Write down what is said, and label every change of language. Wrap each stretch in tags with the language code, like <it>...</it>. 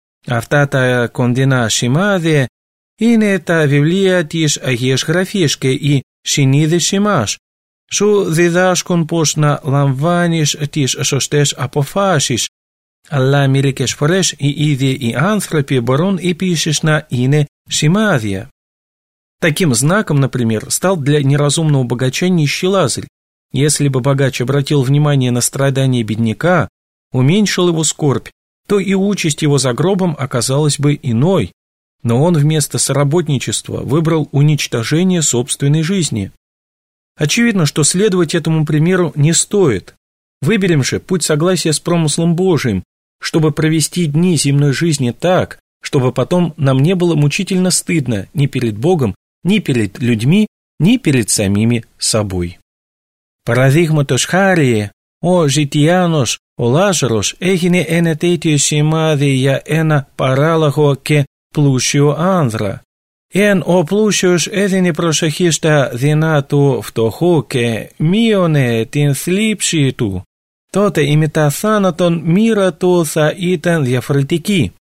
<el>Αυτά τα κοντινά σημάδια είναι τα βιβλία της Αγίας Γραφής και η συνείδησή μας. Σου διδάσκουν πώς να λαμβάνεις τις σωστές αποφάσεις, αλλά μερικές φορές οι ίδιοι οι άνθρωποι μπορούν επίσης να είναι σημάδια.</el> <ru>Таким знаком, например, стал для неразумного богача нищий Лазарь. Если бы богач обратил внимание на страдания бедняка, уменьшил его скорбь, то и участь его за гробом оказалась бы иной. Но он вместо соработничества выбрал уничтожение собственной жизни. Очевидно, что следовать этому примеру не стоит. Выберем же путь согласия с промыслом Божиим, чтобы провести дни земной жизни так, чтобы потом нам не было мучительно стыдно ни перед Богом, ни перед людьми, ни перед самими собой.</ru> <el>Παραδείγματος χάρη, ο Ζητιάνος, ο Λάζαρος, έγινε ένα τέτοιο σημάδι για ένα παράλογο και πλούσιο άνδρα. Εάν ο πλούσιος έδινε προσοχή στα δεινά του φτωχού και μείωνε την θλίψη του, τότε η μεταθάνατον μοίρα του θα ήταν διαφορετική.</el>